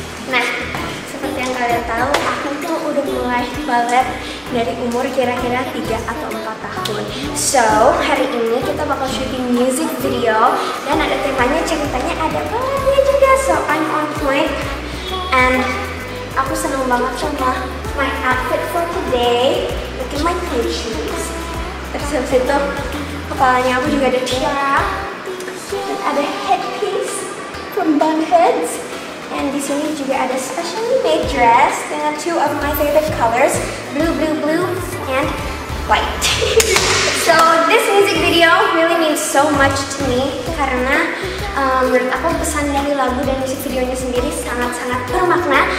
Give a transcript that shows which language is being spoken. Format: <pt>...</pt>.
<id>Nah, seperti yang kalian tahu, aku tuh udah mulai balet dari umur kira-kira 3 atau 4 tahun. So, hari ini kita bakal shooting</id> <en>music video</en> <id>dan ada temanya, ceritanya ada baletnya juga.</id> <en>So, I'm on point. And aku seneng banget sama my outfit for today. Look at my cute shoes.</en> <id>Terus habis itu kepalanya aku juga ada tiara. Dan ada</id> <en>headpiece from Bunheads.</en> <id>And di sini juga ada</id> <en>specially made dress</en> <id>dengan</id> <en>two of my favorite colors, blue and white. So this music video really means so much to me</en> <id>karena menurut aku pesan dari lagu dan music videonya sendiri sangat bermakna.</id>